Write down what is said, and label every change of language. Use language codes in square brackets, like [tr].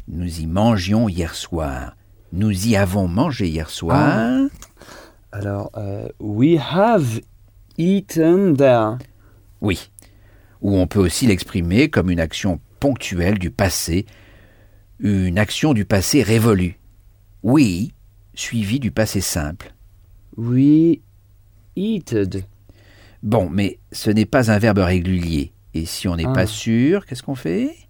[fr] Nous y mangions hier soir. Nous y avons mangé hier soir. [en] Alors, we have eaten there. [fr] Oui. Ou on peut aussi l'exprimer comme une action ponctuelle du passé. Une action du passé révolue. We, suivi du passé simple. [en] We eated. [fr] Bon, mais ce n'est pas un verbe régulier. Et si on n'est pas sûr, qu'est-ce qu'on fait ?